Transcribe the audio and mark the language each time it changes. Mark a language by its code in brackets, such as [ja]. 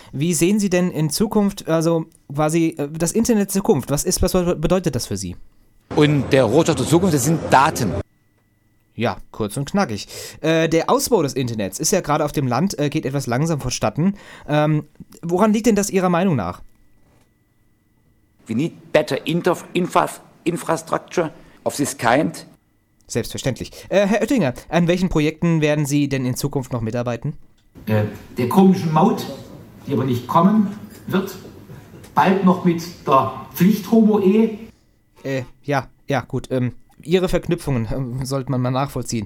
[de] Wie sehen Sie denn in Zukunft, also quasi das Internet Zukunft? Was bedeutet das für Sie? Und der Rohstoff der Zukunft, das sind Daten. Ja, kurz und knackig. Der Ausbau des Internets ist ja gerade auf dem Land, geht etwas langsam vonstatten. Woran liegt denn das Ihrer Meinung nach? [en] We need better infrastructure of this kind. [de] Selbstverständlich. Herr Oettinger, an welchen Projekten werden Sie denn in Zukunft noch mitarbeiten? Der komischen Maut, die aber nicht kommen wird, bald noch mit der Pflicht-Homo-Ehe. Ja, gut, Ihre Verknüpfungen sollte man mal nachvollziehen.